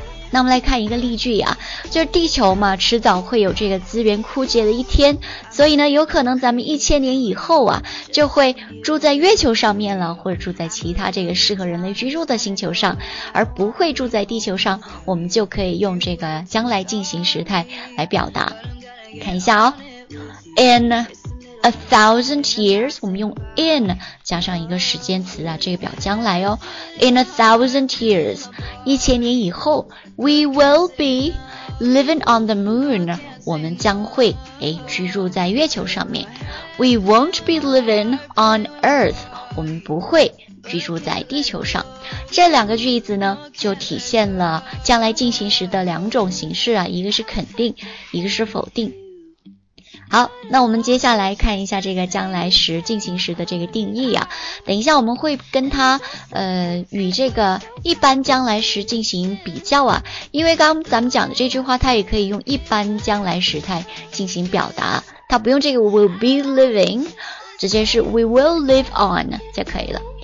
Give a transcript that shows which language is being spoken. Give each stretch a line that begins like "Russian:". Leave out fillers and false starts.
Chinese: 那我们来看一个例句啊，就是地球嘛，迟早会有这个资源枯竭的一天，所以呢，有可能咱们1000年以后啊，就会住在月球上面了，或者住在其他这个适合人类居住的星球上，而不会住在地球上，我们就可以用这个将来进行时态来表达。看一下哦，
English: in a thousand years，
Chinese: 我们用 in 加上一个时间词啊，这个表将来哦。
English: In a thousand years，
Chinese: 1000年以后
English: ，we will be living on the moon，
Chinese: 我们将会居住在月球上面。
English: We won't be living on Earth，
Chinese: 我们不会居住在地球上。这两个句子呢，就体现了将来进行时的两种形式啊，一个是肯定，一个是否定。好，那我们接下来看一下这个将来时进行时的这个定义啊。等一下我们会跟它与这个一般将来时进行比较啊，因为刚咱们讲的这句话它也可以用一般将来时态进行表达，它不用这个
English: will be living，
Chinese: 直接是
English: we will live on
Chinese: 就可以了。